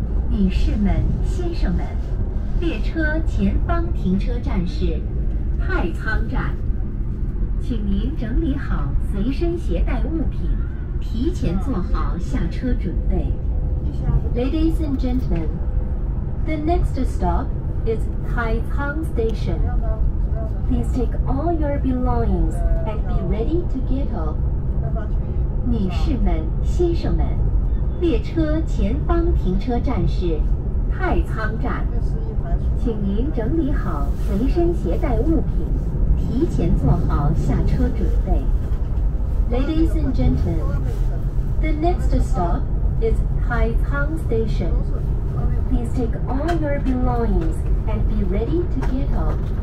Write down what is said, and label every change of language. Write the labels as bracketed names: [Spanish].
[Chinese] 女士们、先生们，列车前方停车站是太仓站，请您整理好随身携带物品，提前做好下车准备。 [English] Ladies and gentlemen, the next stop is Taicang Station. Please take all your belongings and be ready to get off. [Chinese] 女士们、先生们，列车前方停车站是太仓站，请您整理好随身携带物品，提前做好下车准备。 [English] Ladies and gentlemen, the next stop is Taicang Station. Please take all your belongings and be ready to get off.